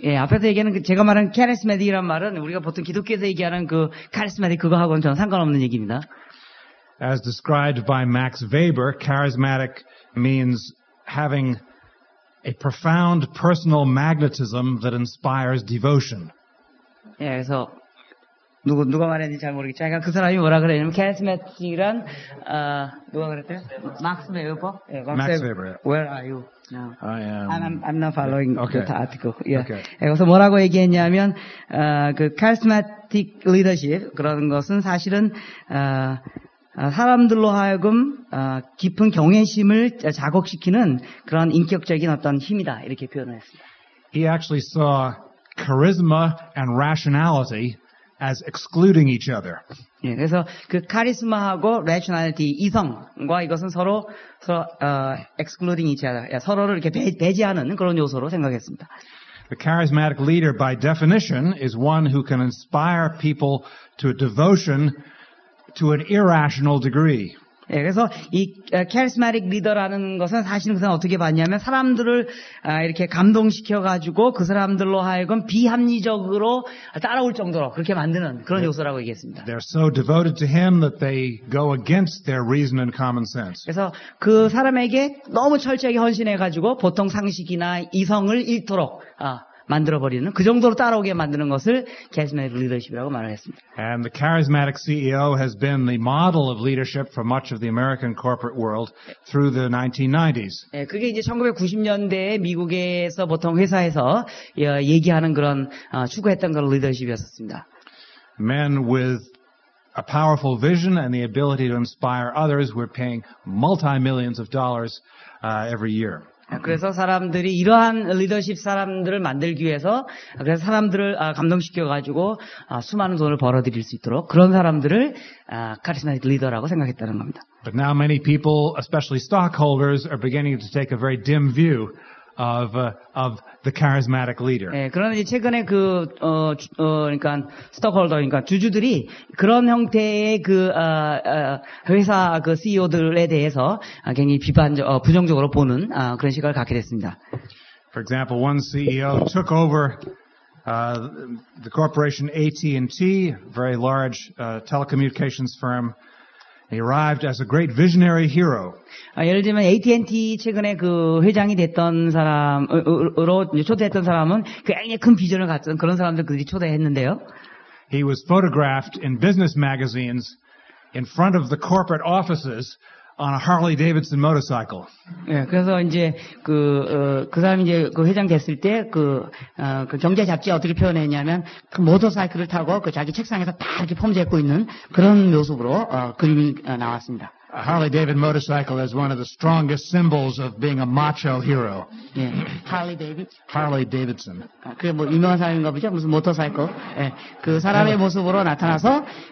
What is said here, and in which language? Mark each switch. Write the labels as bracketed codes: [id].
[ko] 예, 앞에서 얘기하는 제가 말한 charismatic이란 말은 우리가 보통 기독교에서 얘기하는 그 charismatic 그거하고는 전혀 상관없는 얘기입니다. [en] As described by Max Weber, charismatic means having a profound personal magnetism that inspires devotion. [ko] 예, 그래서 누가 말했는지 잘 모르겠지만 그 사람이 뭐라 그래요? 캐스메틱이란 누가 그랬대요? 막스 웨버? 예, 막스 웨버. [en] Where are you? No. I'm not following okay. the article. Yeah. Okay. [ko] 여기서 뭐라고 얘기했냐면 그 charismatic leadership 그런 것은 사실은 사람들로 하여금 깊은 경외심을 자극시키는 그런 인격적인 어떤 힘이다 이렇게 표현을 했습니다. [en] He actually saw charisma and rationality as excluding each other. [ko] 예, 그래서 그 카리스마하고 rationality 이성과 이것은 서로 [en] excluding each other. [ko] 예, 서로를 이렇게 배제하는 그런 요소로 생각했습니다. [en] The charismatic leader by definition is one who can inspire people to a devotion to an irrational degree. [ko] 예, 그래서 이 charismatic leader라는 것은 사실은 그냥 어떻게 봤냐면 사람들을 이렇게 감동시켜 가지고 그 사람들로 하여금 비합리적으로 따라올 정도로 그렇게 만드는 그런 요소라고 얘기했습니다. [en] They're so devoted to him that they go against their reason and common sense. [ko] 그래서 그 사람에게 너무 철저하게 헌신해 가지고 보통 상식이나 이성을 잃도록 만들어버리는 그 정도로 따라오게 만드는 것을 charismatic leadership이라고 말을 했습니다. [en] And the charismatic CEO has been the model of leadership for much of the American corporate world through the 1990s. [ko] 예, 그게 이제 1990년대 미국에서 보통 회사에서 얘기하는 그런 추구했던 그런 리더십이었습니다. [en] Men with a powerful vision and the ability to inspire others were paying multi-millions of dollars every year. [ko] 그래서 사람들이 이러한 리더십 사람들을 만들기 위해서 그래서 사람들을 감동시켜 가지고 수많은 돈을 벌어들일 수 있도록 그런 사람들을 카리스마틱 리더라고 생각했다는 겁니다. [en] But now many people, especially stockholders, are beginning to take a very dim view of the charismatic leader. [ko] 예, 그런데 이제 최근에 그러니까 스톡홀더니까 주주들이 그런 형태의 그 회사 그 CEO들에 대해서 굉장히 부정적으로 보는 그런 시각을 갖게 됐습니다. [en] For example, one CEO took over the corporation AT&T, very large telecommunications firm. He arrived as a great visionary hero. [ko] 예를 들면 AT&T 최근에 그 회장이 됐던 사람으로 초대했던 사람은 굉장히 큰 비전을 갖던 그런 사람들까지 초대했는데요. [en] He was photographed in business magazines in front of the corporate offices on a Harley Davidson motorcycle. [ko] 예, 그래서 이제 그 사람 이제 그 회장 됐을 때 그 경제 잡지 어떻게 표현했냐면 그 모터사이클을 타고 그 자기 책상에서 딱 이렇게 펌잡고 있는 그런 모습으로 그림이 나왔습니다. [en] A Harley Davidson motorcycle is one of the strongest symbols of being a macho hero. [ko] 예, Harley Davidson. [en] Harley Davidson. [ko] 그게 뭐 유명한 사람인가 보죠? 무슨 모터사이클? 예, 그 사람의 모습으로 나타나서.